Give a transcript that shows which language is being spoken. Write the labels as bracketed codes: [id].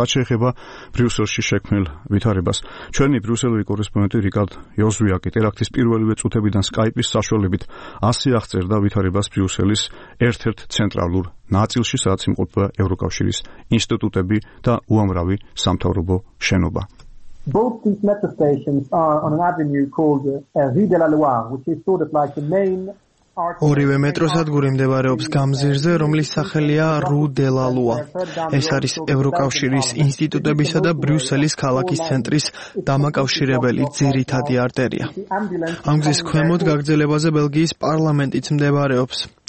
[ka] რაც შეეხება ბრიუსელში შექმნილ ვითარებას, ჩვენი ბრიუსელური კორესპონდენტი რიკარდ იოზვიაკი ტერაქტის პირველივე წუთებიდან სკაიპის საშუალებით ასე აღწერდა ვითარებას ბრიუსელის ერთ-ერთ ცენტრალურ ნაწილში, სადაც იმყოფება ევროკავშირის ინსტიტუტები და უამრავი სამთავრობო შენობა. [en] Both these metro stations are on an avenue called Rue de la Loire, which is sort of like the main [ka] ორივე მეტროსადგური მდებარეობს გამზირზე, რომლის სახელია რუ დე ლა ლუა. ეს არის ევროკავშირის ინსტიტუტებისა და ბრიუსელის ქალაქის ცენტრის დამაკავშირებელი ძირითადი არტერია. ამ გზის ქვემოთ გაგრძელებაზე ბელგიის პარლამენტიც მდებარეობს.